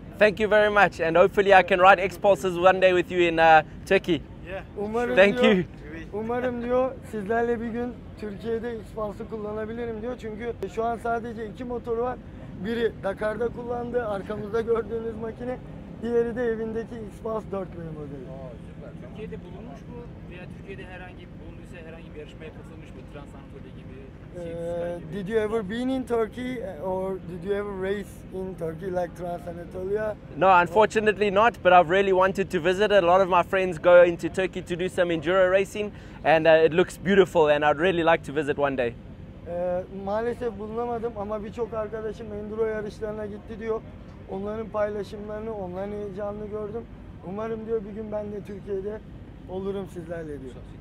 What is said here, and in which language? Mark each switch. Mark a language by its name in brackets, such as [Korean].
[English] Thank you very much, and hopefully I can ride X-Pulses one day with you in Turkey. Yeah. [Turkish] Umarım [English] thank [Turkish] diyor, [English] you. [Turkish] Umarım diyor sizlerle bir gün Türkiye'de X-Pulse'ı kullanabilirim diyor. Çünkü şu an sadece iki motor var. Biri Dakar'da kullandığı arkamızda gördüğünüz makine, diğeri de evindeki X-Pulse 4 numaralı modeli. Türkiye'de bulunmuş mu veya Türkiye'de herhangi bir yarışmaya katılmış mı, Transanatolia gibi? [English] Did you ever been in Turkey or did you ever race in Turkey like Transanatolia? No, unfortunately not, but I've really wanted to visit it. A lot of my friends go into Turkey to do some enduro racing and it looks beautiful and I'd really like to visit one day. [Turkish] Maalesef bulunamadım ama birçok arkadaşım enduro yarışlarına gitti diyor. Onların paylaşımlarını, onların heyecanını gördüm. Umarım diyor bir gün ben de Türkiye'de olurum sizlerle diyor.